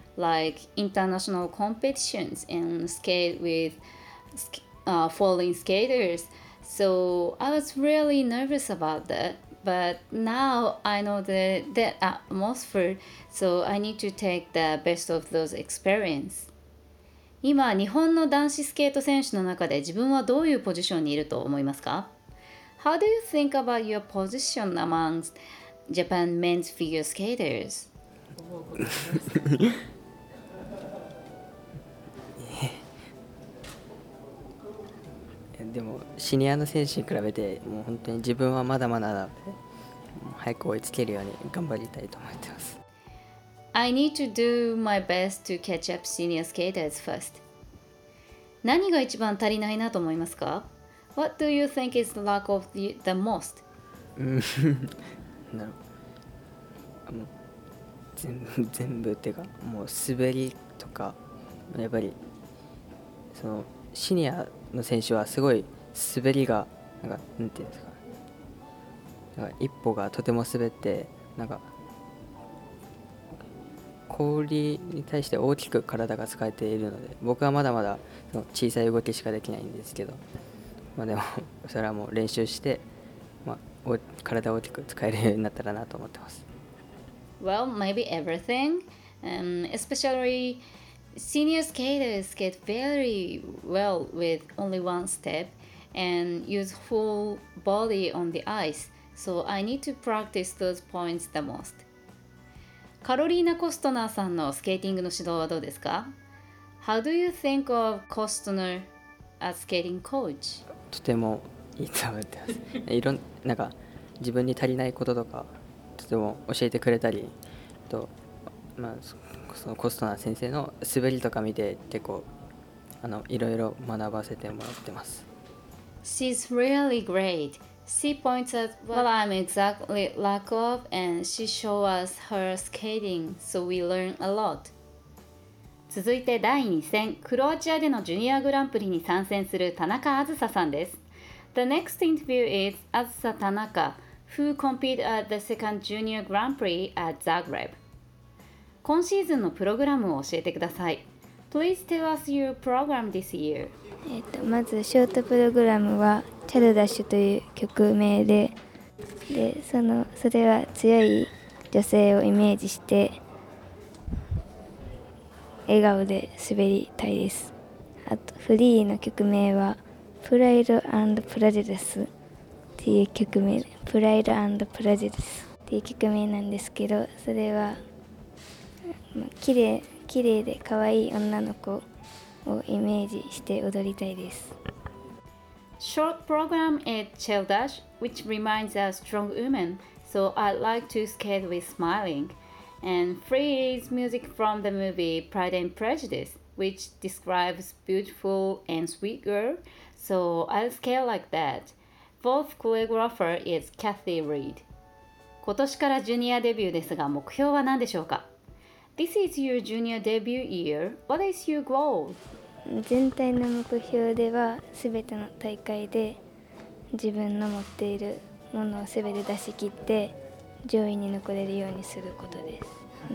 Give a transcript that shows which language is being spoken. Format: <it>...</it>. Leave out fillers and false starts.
<en>Like international competitions and skate with falling skaters. So I was really nervous about that. But now I know that atmosphere. So I need to take the best of those experience.</en> <ja>今日本の男子スケート選手の中で自分はどういうポジションにいると思いますか?</ja> <en>How do you think about your position amongst Japan men's figure skaters?</en> <ja>でもシニアの選手に比べてもう本当に自分はまだまだ早く追いつけるように頑張りたいと思ってます。</ja> <en>I need to do my best to catch up senior skaters first.</en> <ja>何が一番足りないなと思いますか?</ja> <en>What do you think is the lack of the most?</en> <ja>なるほど。全部っていうかもう滑りとかやっぱりそのシニアの選手はすごい滑りがなんかなんていうんですか、なんか一歩がとても滑ってなんか氷に対して大きく体が使えているので、僕はまだまだその小さい動きしかできないんですけど、まあ、でもそれはもう練習して、まあ、体を大きく使えるようになったらなと思ってます。</ja> <en>Well, maybe everything、especially senior skaters get very well with only one step and use full body on the ice, so I need to practice those points the most</en> <ja>カロリーナ・コストナーさんのスケーティングの指導はどうですか？</ja> <en>How do you think of Costner as skating coach?</en> <ja>とてもいいと思ってます。いろんなんか自分に足りないこととかとても教えてくれたり、と、まあ、そのコストナー先生の滑りとか見て結構いろいろ学ばせてもらってます。</ja> <en>She's really great. She points at what I'm exactly lack of, and she shows us her skating, so we learn a lot.</en> <ja>続いて第2戦、クロアチアでのジュニアグランプリに参戦する田中あずささんです。</ja> <en>The next interview is Azusa Tanaka, who competed at the second junior Grand Prix at Zagreb.</en> <ja>今シーズンのプログラムを教えてください。</ja> <en>Please tell us your program this year.</en> <ja>まずショートプログラムはチャドダッシュという曲名で、で、それは強い女性をイメージして笑顔で滑りたいです。あとフリーの曲名はプライド&プラジェデスっていう曲名、プライド&プラジェデスっていう曲名なんですけど、それは綺麗で可愛い女の子をイメージして踊りたいです。</ja> <en>Short program at Cheldash, which reminds us strong women, so I like to skate with smiling. And free is music from the movie Pride and Prejudice, which describes beautiful and sweet girl, so I'll skate like that. Fourth choreographer is Kathy Reed.</en> <ja>今年からジュニアデビューですが、目標は何でしょうか？</ja> <en>This is your junior debut year. What is your goal?</en> <ja>全体の目標では全ての大会で自分の持っているものを全て出し切って上位に残れるようにすることです。</ja>